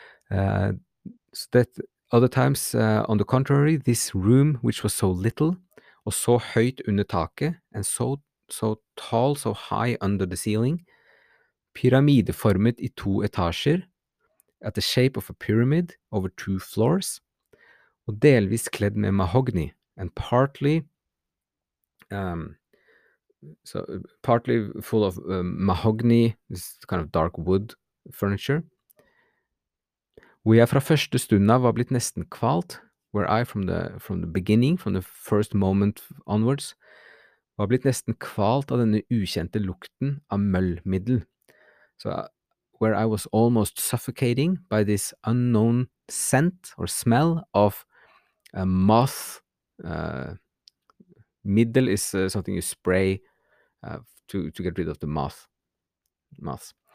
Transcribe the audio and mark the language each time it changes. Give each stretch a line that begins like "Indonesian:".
English: So that other times, on the contrary, this room, which was so little,
Norwegian: og så høyt under taket,
English: and so tall, so high under the ceiling,
Norwegian: pyramideformet I to etasjer,
English: at the shape of a pyramid over two floors,
Norwegian: og delvis kledd med mahogni,
English: and partly... So partly full of mahogni, this kind of dark wood furniture.
Norwegian: Hvor jeg fra første stund av var blitt nesten kvalt,
English: where I from the beginning, from the first moment onwards,
Norwegian: var blitt nesten kvalt av denne ukjente lukten av møllmiddel.
English: So where I was almost suffocating by this unknown scent or smell of a moth. Middel is something you spray to get rid of the moth.